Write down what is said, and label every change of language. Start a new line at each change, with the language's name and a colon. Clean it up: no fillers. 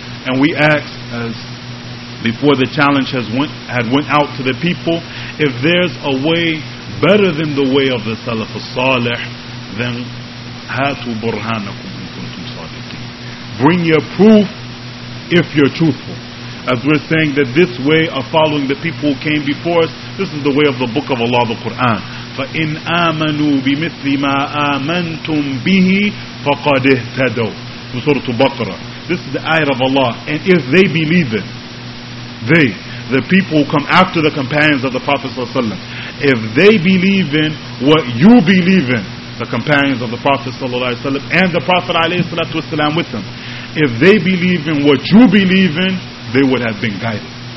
English: And we ask, as before the challenge had went out to the people, if there's a way better than the way of the Salaf al-Salih, then
Arabic: hatu burhanakum in kuntum sadiqin.
English: Bring your proof if you're truthful. As we're saying that this way of following the people who came before us, this is the way of the book of Allah, the Quran.
Arabic: فَإِنْ آمَنُوا بِمِثْلِ مَا آمَنْتُمْ بِهِ فَقَدْ اِهْتَدَوْا
English: from Surah Baqarah. This is the ayah of Allah. And if they believe it, they, the people who come after the companions of the Prophet ﷺ, if they believe in what you believe in, the companions of the Prophet ﷺ and the Prophet ﷺ with them, if they believe in what you believe in, they would have been guided.